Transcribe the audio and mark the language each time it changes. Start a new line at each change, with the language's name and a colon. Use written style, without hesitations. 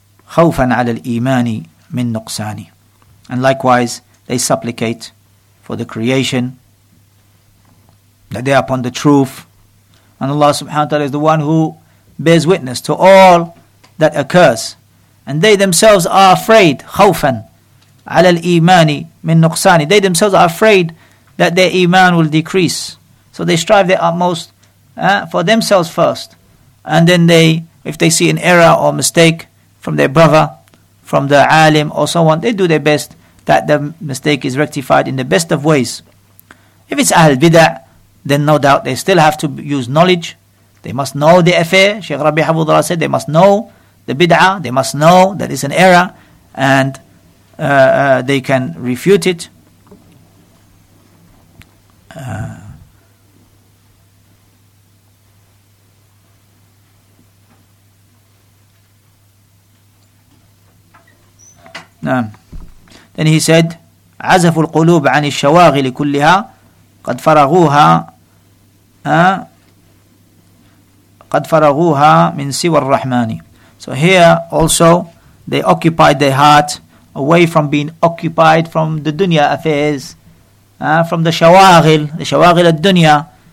Arabic: Khawfan ala al-imani min nuqsani.
English: And likewise, they supplicate for the creation, that they are upon the truth. And Allah subhanahu wa ta'ala is the one who bears witness to all that occurs. And they themselves are afraid.
Arabic: خوفاً على الإيمان من نقصان.
English: They themselves are afraid that their iman will decrease. So they strive their utmost for themselves first. And then they, if they see an error or mistake, from their brother, from the alim or someone, they do their best that the mistake is rectified in the best of ways. If it's Ahl Bid'ah, then no doubt they still have to use knowledge. They must know the affair. Shaykh Rabi Hafidhullah said they must know the bid'ah. They must know that it's an error, and they can refute it. Then he said,
Arabic: عَزَفُ الْقُلُوبِ عَنِ الشَّوَاغِلِ كُلِّهَا قَدْ فَرَغُوهَا قَدْ فَرَغُوهَا مِنْ سِوَى الرَّحْمَانِ.
English: So here also, they occupied their heart away from being occupied from the dunya affairs, from the shawaghil al-dunya.